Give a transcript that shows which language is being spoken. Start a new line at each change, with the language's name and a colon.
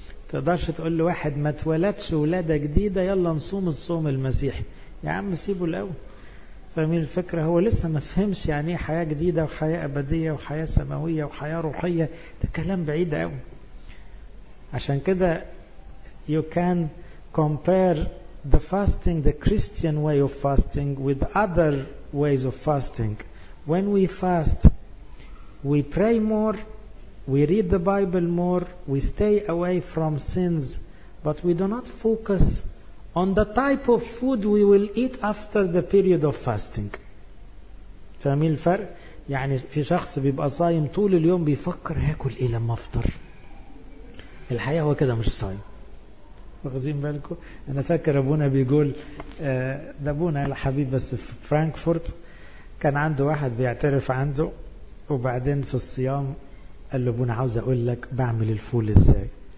Arabic: تقدرش تقول لواحد ما تولدش ولادة جديدة يلا نصوم الصوم المسيحي، يا عم سيبه الأول. فمن الفكرة هو لسه ما فهمش يعني حياة جديدة وحياة أبدية وحياة سماوية وحياة روحية، ده كلام بعيد قوي. عشان كده
English: you can compare the fasting, the Christian way of fasting with other ways of fasting. When we fast, we pray more, we read the Bible more, we stay away from sins, but we do not focus on the type of food we will eat after the period of fasting.
Arabic: فاهمين الفرق؟ يعني في شخص بيبقى صايم طول اليوم بيفكر هاكل ايه لما افطر. الحقيقة هو كده مش صايم. واخدين بالكم؟ انا فاكر ابونا بيقول، ده ابونا الحبيب بس في فرانكفورت، كان عنده واحد بيعترف عنده، وبعدين في الصيام قال له ابونا عاوز اقول لك بعمل الفول ازاي.